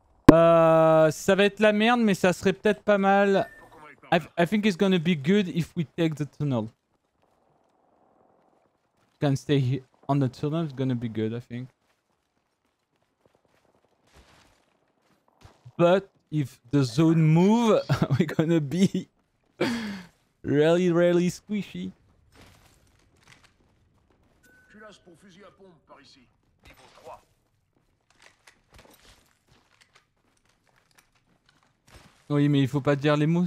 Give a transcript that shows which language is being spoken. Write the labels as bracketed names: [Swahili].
[French] Ça va être la merde, mais ça serait peut-être pas mal. [English] I think it's gonna be good if we take the tunnel. Can stay here on the tunnel, it's gonna be good, I think. But if the zone move, we're gonna be really, really squishy. [French] Culasse pour fusil à pompe par ici, niveau 3. Oui, mais il faut pas dire les mots.